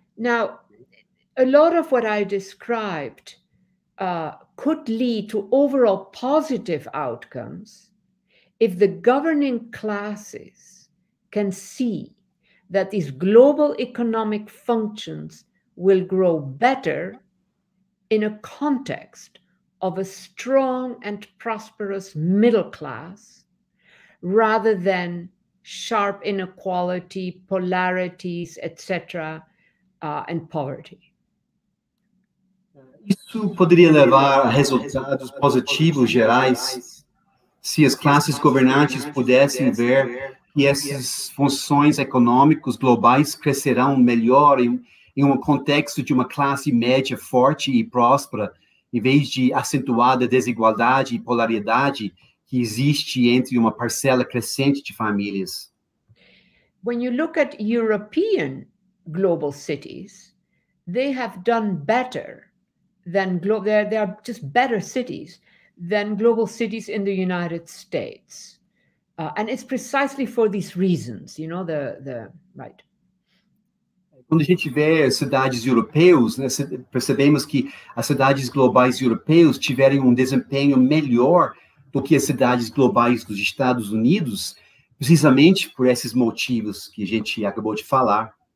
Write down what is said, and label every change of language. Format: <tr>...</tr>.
<en>Now, a lot of what I described could lead to overall positive outcomes if the governing classes can see that these global economic functions will grow better in a context of a strong and prosperous middle class rather than sharp inequality, polarities, etc., and poverty.</en> <pt>Isso poderia levar a resultados positivos gerais se as classes governantes pudessem ver que essas funções econômicas globais crescerão melhor em um contexto de uma classe média forte e próspera, em vez de acentuada desigualdade e polaridade que existe entre uma parcela crescente de famílias.</pt> <en>When you look at European global cities, they have done better than they are just better cities than global cities in the United States. And it's precisely for these reasons, you know, the right.</en> <pt>Quando a gente vê as cidades europeias, né, percebemos que as cidades globais europeias tiveram um desempenho melhor do que as cidades globais dos Estados Unidos, precisamente por esses motivos que a gente acabou de falar.</pt>